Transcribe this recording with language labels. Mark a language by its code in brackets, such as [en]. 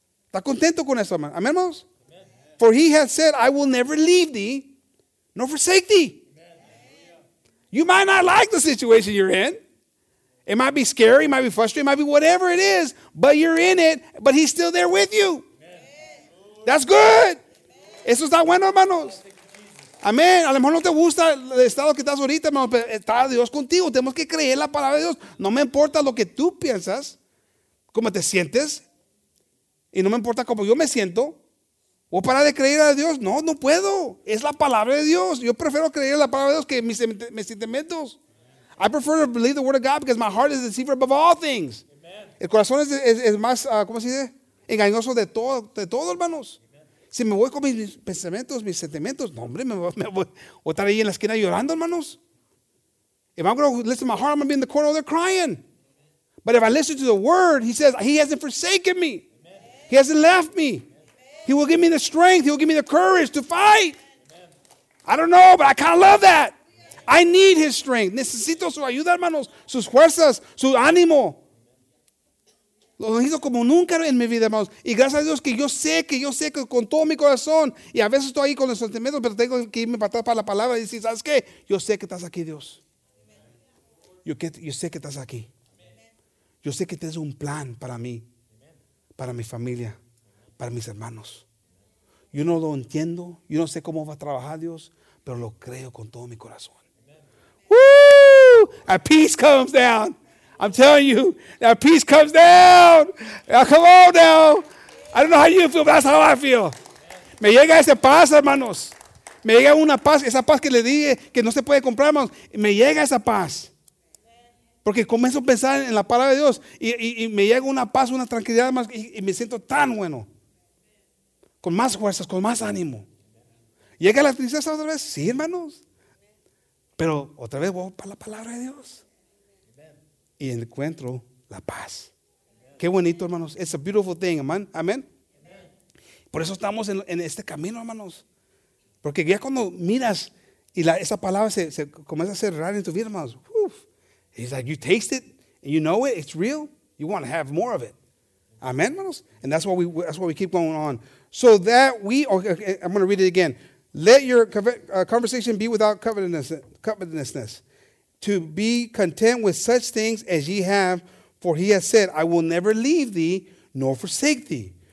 [es] Está contento con eso, hermanos. [en] Amen, hermanos. For he hath said, I will never leave thee, nor forsake thee. You might not like the situation you're in. It might be scary, it might be frustrating, it might be whatever it is, but you're in it, but he's still there with you. Amen. That's good. Amen. [es] Eso está bueno, hermanos. Amén. A lo mejor no te gusta el estado que estás ahorita, hermanos, pero está Dios contigo. Tenemos que creer la palabra de Dios. No me importa lo que tú piensas, cómo te sientes, y no me importa cómo yo me siento. ¿O para de creer a Dios? No, no puedo. Es la palabra de Dios. Yo prefiero creer la palabra de Dios que mis sentimientos. [en] I prefer to believe the word of God because my heart is deceiver above all things. [es] Amen. El corazón es más, ¿cómo se dice? Engañoso de todo, hermanos. Amen. Si me voy con mis pensamientos, mis sentimientos, no, hombre, me voy a estar ahí en la esquina llorando, hermanos. [en] If I'm going to listen to my heart, I'm going to be in the corner over there crying. Amen. But if I listen to the word, he says, he hasn't forsaken me. Amen. He hasn't left me. He will give me the strength. He will give me the courage to fight. Amen. I don't know, but I kind of love that. [es] Amen. [en] I need his strength. [es] Necesito su ayuda, hermanos. Sus fuerzas, su ánimo. Lo necesito como nunca en mi vida, hermanos. Y gracias a Dios que yo sé que con todo mi corazón, y a veces estoy ahí con los sentimientos, pero tengo que irme para la palabra y decir, ¿sabes qué? Yo sé que estás aquí, Dios. Yo sé que estás aquí. Yo sé que tienes un plan para mí, para mi familia. Para mis hermanos. Yo no lo entiendo. Yo no sé cómo va a trabajar Dios. pero lo creo con todo mi corazón. Woo! [en] Our peace comes down. I'm telling you, our peace comes down. Now, come on now. I don't know how you feel, but that's how I feel. [es] Me llega esa paz, hermanos. Me llega una paz, esa paz que le dije que no se puede comprar, hermanos. Me llega esa paz. Porque comienzo a pensar en la palabra de Dios y me llega una paz, una tranquilidad más y me siento tan bueno. Con más fuerzas, con más ánimo. ¿Llega la tristeza otra vez? Sí, hermanos. Pero otra vez voy para la palabra de Dios. Y encuentro la paz. Qué bonito, hermanos. It's a beautiful thing, amen. Amen. Por eso estamos en este camino, hermanos. Porque ya cuando miras y esa palabra se comienza a cerrar en tu vida, hermanos. Uf. [en] He's like, you taste it, and you know it, it's real. You want to have more of it. Amen, hermanos. And that's what we keep going on. So that we, okay, I'm going to read it again. Let your conversation be without covetousness. To be content with such things as ye have, for he has said, I will never leave thee nor forsake thee.